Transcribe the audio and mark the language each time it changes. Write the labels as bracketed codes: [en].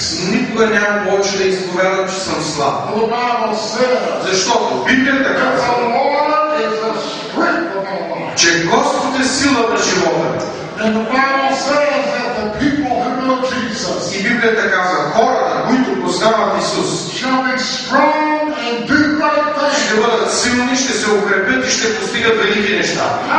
[bg] Никога няма повече да изповядам, че съм слаб. Защото Библията казва, [en] the Lord is the strength [bg] че Господ е сила на живота. [en] And the Bible says that the people who know Jesus, [bg] и Библията казва, хората, които познават Исус, [en] shall be strong and do right things. [bg] Ще бъдат силни, ще се укрепят и ще постигат велики неща.